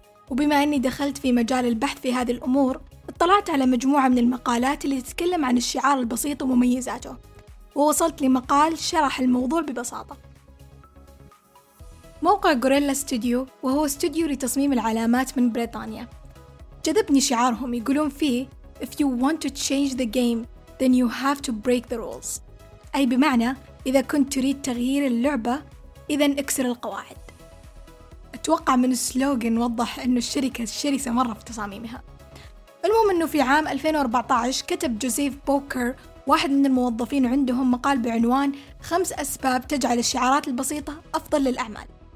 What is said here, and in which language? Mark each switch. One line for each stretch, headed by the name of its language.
Arabic: وبما أني دخلت في مجال البحث في هذه الأمور، اطلعت على مجموعة من المقالات اللي تتكلم عن الشعار البسيط ومميزاته، ووصلت لمقال شرح الموضوع ببساطة. موقع غوريلا ستوديو، وهو ستوديو لتصميم العلامات من بريطانيا، جذبني شعارهم. يقولون فيه
English: If you want to change the game, then you have to break the rules.
Arabic: أي بمعنى إذا كنت تريد تغيير اللعبة، إذا اكسر القواعد. أتوقع من السلوغن وضح أنه الشركة شرسة مرة في تصاميمها. المهم أنه في عام 2014 كتب جوزيف بوكر، واحد من الموظفين عندهم، مقال بعنوان 5 أسباب تجعل الشعارات البسيطة أفضل للأعمال.